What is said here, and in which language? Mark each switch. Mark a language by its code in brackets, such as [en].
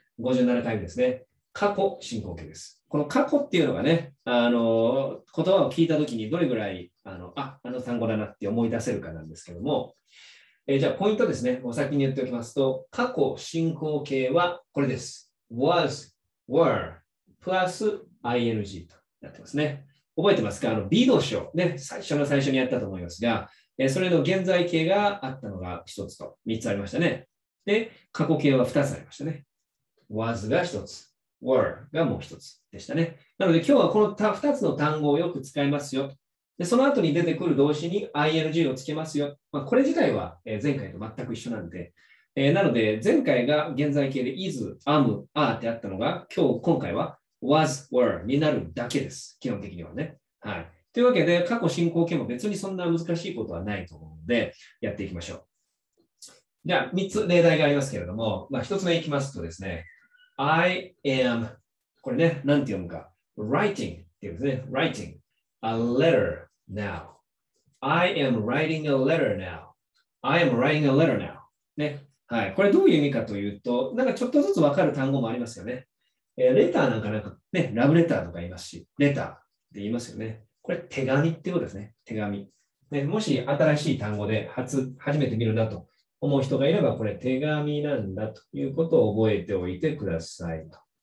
[ja] 57回目ですね。過去進行形です。この過去っていうのがね、言葉を聞いたときにどれぐらい、あの単語だなって思い出せるかなんですけども、じゃあポイントですね、お先に言っておきますと、過去進行形はこれです。 [en] was, were, plus ing [ja] となってますね。覚えてますか？ be 動詞をね、最初にやったと思いますが、それの現在形があったのが1つと3つありましたね。で、過去形は2つありましたね。 was が1つ。 were がもう一つでしたね。なので今日はこの2つの単語をよく使いますよ。で、その後に出てくる動詞に ing をつけますよ。まあ、これ自体は前回と全く一緒なんで。なので前回が現在形で [en] is, am, are [ja] ってあったのが、今回は [en] was, were [ja] になるだけです。基本的にはね。はい。というわけで、過去進行形も別にそんな難しいことはないと思うので、やっていきましょう。じゃあ、3つ例題がありますけれども、まあ、1つ目いきますとですね、 [en] I am、 [ja] これね、なんて読むか。 writing っていうんですね。 [en] writing a letter now. I am writing a letter now. I am writing a letter now. [ja] ね。はい。これどういう意味かというと、なんかちょっとずつわかる単語もありますよね。レターなんかなんかね、ラブレターとか言いますし、レターって言いますよね。これ手紙ってことですね。手紙。ね、もし新しい単語で初めて見るなと思う人がいれば、これ手紙なんだということを覚えておいてくださいと。